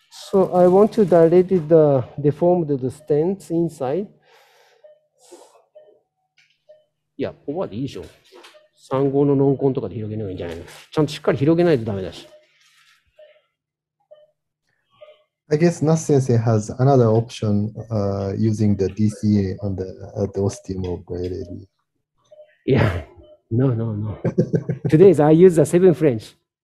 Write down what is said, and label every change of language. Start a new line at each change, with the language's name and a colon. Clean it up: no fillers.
English: So I want to dilate the deformed the stents inside.
Japanese: Yeah, ここまでいいでしょ。 3号のノンコンとかで広げないんじゃないの。ちゃんとしっかり広げないとダメだし。
English: I guess Nas sensei has another option using the DCA on the, the ostium of the LED. Yeah, no. Today I use the 7 French.